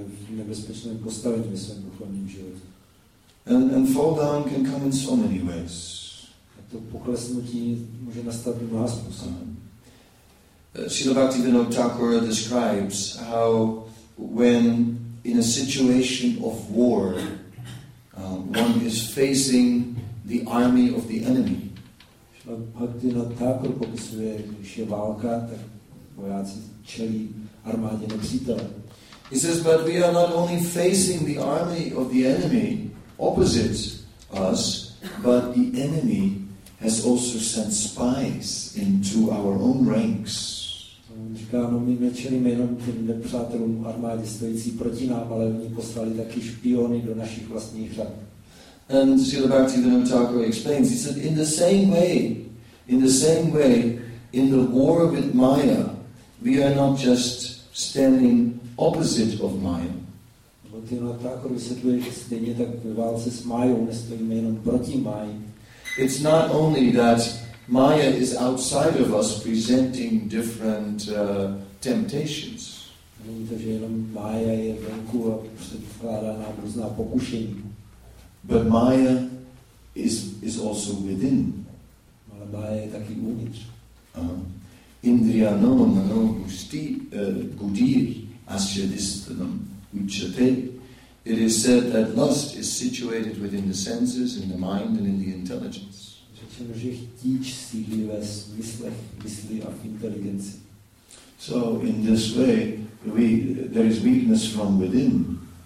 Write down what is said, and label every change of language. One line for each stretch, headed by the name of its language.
Czech: Nebezpečné postavit ve svém duchovním životě.
English: And fall down can come in so many ways.
Czech: A to poklesnutí může nastat mnoha způsobů.
English: Srila Bhaktivinoda Thakur describes how when in a situation of war one is facing the army of the enemy.
Czech: Srila Bhaktivinoda Thakur popisuje, když je válka, tak vojáci čelí armádě nepřítele.
English: He says, but we are not only facing the army of the enemy opposite us, but the enemy has also sent spies into our own ranks. And Srila Bhaktivinoda Thakur explains, he said, in the same way, in the war with Maya, we are not just standing opposite of Maya.
Czech: But in attacker vysvětluje, že stejně tak ve válce s Mayou nestojíme jenom proti Maji.
English: It's not only that Maya is outside of us presenting different temptations.
Czech: Není to, že jenom Maya je venku a předkládá nám různá pokušení.
English: But Maya is also within.
Czech: Ale Maya je taky uvnitř.
Sanskrit: Indriya no mano gusti gudir. Asyadistanam uchate.
English: It is said that lust is situated within the senses, in the mind, and in the intelligence.
Czech: Řečeno, že chtíč sídlí ve smyslech, myslí a v inteligenci.
English: So in this way, there is weakness from within.